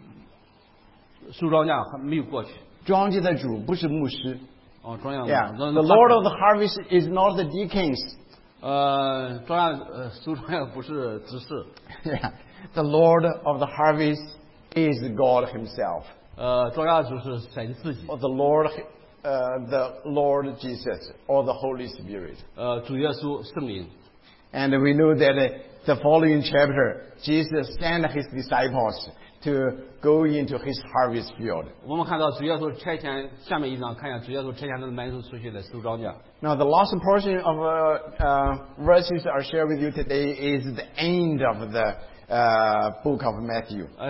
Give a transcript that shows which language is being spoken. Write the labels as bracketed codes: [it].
[zh] 主的收庄稼还没有过去。庄稼的主不是牧师。哦，庄稼的主。 [en] Yeah, the Lord of the harvest is not the deacons. [zh] 庄稼收庄稼不是执事。 [en] Yeah, the Lord of the harvest is God himself. [zh] 庄稼主是神自己。 [en] Or the Lord Jesus, or the Holy Spirit. [zh] 主耶稣圣灵。 [en] And we know that the following chapter, Jesus sent his disciples to go into his harvest field. [zh] 我们看到主耶稣差遣，下面一章看一下主耶稣差遣他的门徒出去来收庄稼。 [en] Now the last portion of verses I share with you today is the end of the book of Matthew.